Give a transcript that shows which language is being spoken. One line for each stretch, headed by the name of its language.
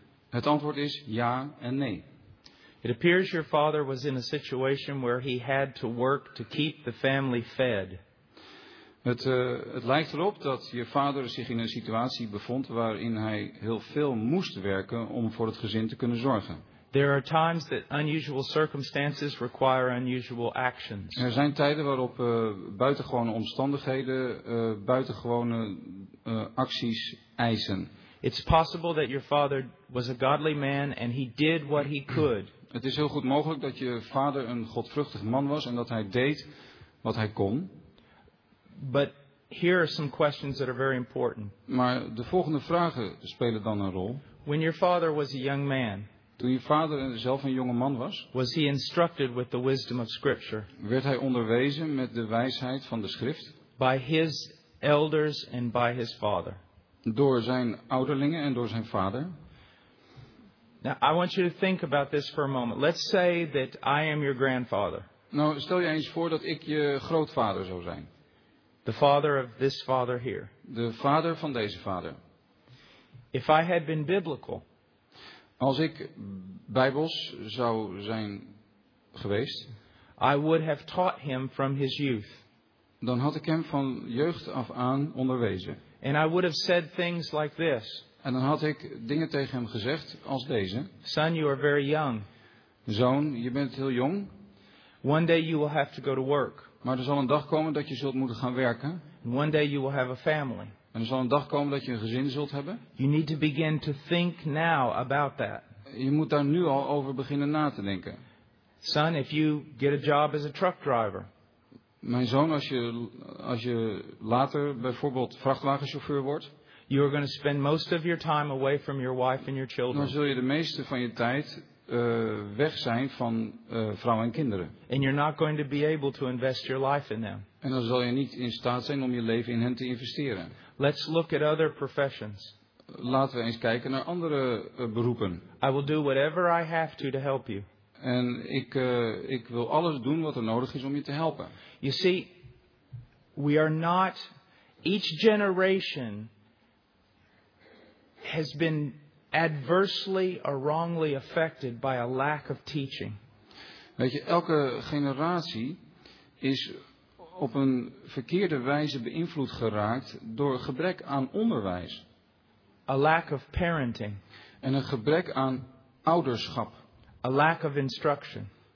Dutch: Het antwoord is ja en nee.
English: It appears your father was in a situation where he had to work to keep the family fed.
Dutch: Het lijkt erop dat je vader zich in een situatie bevond waarin hij heel veel moest werken om voor het gezin te kunnen zorgen.
English: There are times that unusual circumstances require unusual actions.
Dutch: Er zijn tijden waarop buitengewone omstandigheden buitengewone acties eisen.
English: It's possible that your father was a godly man and he did what he could.
Dutch: Het is heel goed mogelijk dat je vader een godvruchtig man was en dat hij deed wat hij kon.
English: But here are some questions that are very important.
Dutch: Maar de volgende vragen spelen dan een rol.
English: When your father was a young man,
Dutch: toen je vader zelf een jonge man was,
English: was he instructed with the wisdom of Scripture?
Dutch: Werd hij onderwezen met de wijsheid van de Schrift?
English: By his elders and by his father.
Dutch: Door zijn ouderlingen en door zijn vader.
English: Now I want you to think about this for a moment. Let's say that I am your grandfather.
Dutch: Nou, stel je eens voor dat ik je grootvader zou zijn.
English: The father of this father here.
Dutch: De vader van deze vader.
English: If I had been biblical.
Dutch: Als ik Bijbels zou zijn geweest.
English: I would have taught him from his youth.
Dutch: Dan had ik hem van jeugd af aan onderwezen.
English: And I would have said things like this.
Dutch: En dan had ik dingen tegen hem gezegd als deze.
English: Son, you are very young.
Dutch: Zoon, je bent heel jong.
English: One day you will have to go to work.
Dutch: Maar er zal een dag komen dat je zult moeten gaan werken.
English: One day you will have a family.
Dutch: En er zal een dag komen dat je een gezin zult hebben.
English: You need to begin to think now about that.
Dutch: Je moet daar nu al over beginnen na te denken.
English: Son, if you get a job as a truck driver.
Dutch: Mijn zoon, als je later bijvoorbeeld vrachtwagenchauffeur wordt.
English: You are going to spend most of your time away from your wife and your children.
Dutch: Dan zul je de meeste van je tijd weg zijn van vrouw en kinderen.
English: And you're not going to be able to invest your life in them.
Dutch: En dan zal je niet in staat zijn om je leven in hen te investeren.
English: Let's look at other professions.
Dutch: Laten we eens kijken naar andere beroepen.
English: I will do whatever I have to help you.
Dutch: En ik wil alles doen wat er nodig is om je te helpen.
English: You see, we are not each generation has been adversely or wrongly affected by a lack of teaching.
Dutch: Weet je, elke generatie is op een verkeerde wijze beïnvloed geraakt door gebrek aan onderwijs.
English: A lack of parenting.
Dutch: En een gebrek aan ouderschap.
English: A lack of instruction.